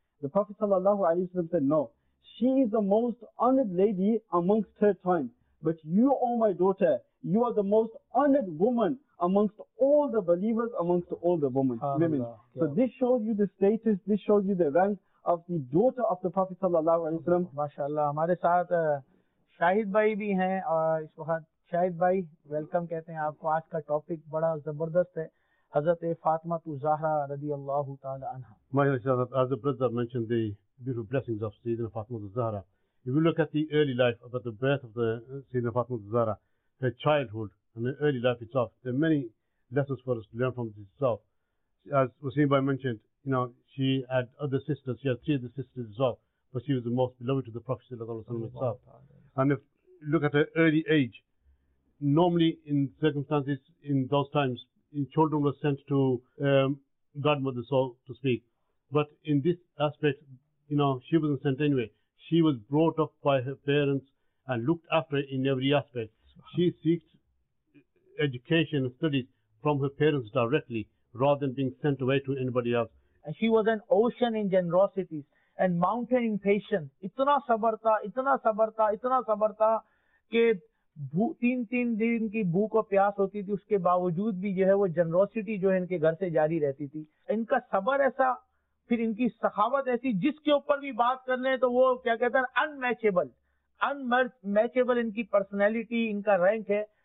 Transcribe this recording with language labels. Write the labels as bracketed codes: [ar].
[en] The Prophet sallallahu alayhi wa sallam said, no, she is the most honored lady amongst her time, but you, O my daughter, you are the most honored woman amongst all the believers, amongst all the women. So this shows you the status, this shows you the rank of the daughter of the Prophet sallallahu alayhi wa sallam. [ur] MashaAllah. Hamare saath Shahid bhai bhi hain is waqt. شاہد بھائی welcome کہتے ہیں آپ کو. آج کا topic بڑا زبردست ہے, حضرت فاطمہ الزہرا رضی اللہ تعالی عنہ. [en] My as the brother mentioned the beautiful blessings of Sayyidina Fatima al-Zahra. If you look at the early life about the birth of the Sayyidina Fatima al-Zahra, her childhood and the early life itself, there are many lessons for us to learn from this itself. As Wasim bhai mentioned, you know, she had other sisters, she had three other sisters as well, but she was the most beloved to the Prophet sallallahu alaihi wasallam itself. And if you look at her early age, normally in circumstances in those times, children were sent to godmother, so to speak. But in this aspect, you know, she wasn't sent anywhere. She was brought up by her parents and looked after in every aspect. She seeks education and studies from her parents directly rather than being sent away to anybody else. And she was an ocean in generosity and mountain in patience. [ur] Itna sabr tha, itna sabr tha, itna sabr tha ke تین تین دن کی بھوک اور پیاس ہوتی تھی, اس کے باوجود بھی جو ہے وہ جنروسٹی جو ہے ان کے گھر سے جاری رہتی تھی. ان کا صبر ایسا, پھر ان کی سخاوت ایسی, جس کے اوپر بھی بات کر لیں تو وہ کیا کہتے ہیں, ان میچیبل ان کی پرسنالٹی, ان کا رینک ہے.